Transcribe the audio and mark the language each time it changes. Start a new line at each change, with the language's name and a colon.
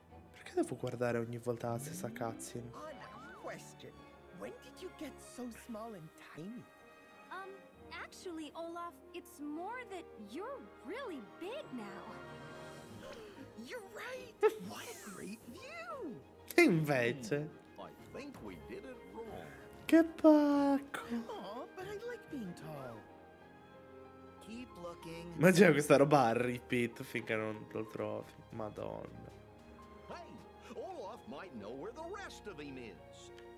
Italian: Perché devo guardare ogni volta la stessa cutscene?
English: Question. When did you get so small and tiny? Actually, Olaf, it's more that you're really big now. You're right. What a great view.
Italian: E invece.
English: I think we did it wrong.
Italian: Che pacco.
English: Oh, but I like being tall. Keep looking.
Italian: Immagina questa roba a repeat finché non lo trovi. Madonna.
English: Hey, Olaf might know where the rest of him is.